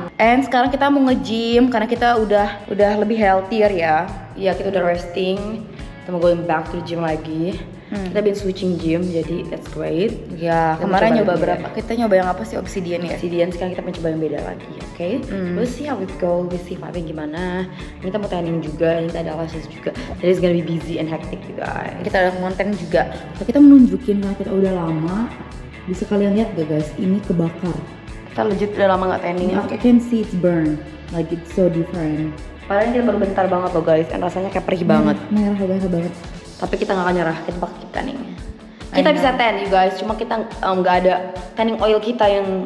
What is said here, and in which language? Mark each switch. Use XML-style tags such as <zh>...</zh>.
<id>And sekarang kita mau nge-gym karena kita udah lebih healthier ya. Iya, kita udah</id> <en>resting.</en> <id>Kita mau</id> <en>going back to the gym</en> <id>lagi. Kita</id> <en>been switching gym,</en> <id>jadi</id> <en>that's great.</en> <id>Ya, kemarin nyoba berapa? Kita nyoba yang apa sih? Obsidian ya? Obsidian, sekarang kita mencoba yang beda lagi, okay?</id> <en>We'll see how it go, we'll see vibe</en> <id>gimana. Ini kita mau training juga, ini kita ada lessons juga. Jadi</id> <en>it's gonna be busy and hectic, you guys.</en> <id>Kita ada konten juga. Kita menunjukin karena kita udah lama. Bisa kalian lihat gak guys, ini kebakar. Kita legit udah lama gak training.</id> <en>I can see it's burn, like it's so different.</en> <id>Padahal ini baru bentar banget loh guys, dan rasanya kayak perih banget. Merah banget. Tapi kita gak akan nyerah, kita pakai</id> <en>keep tanning.</en> <id>Kita bisa</id> <en>tan you guys,</en> <id>cuma kita gak ada</id> <en>tanning oil</en> <id>kita yang</id>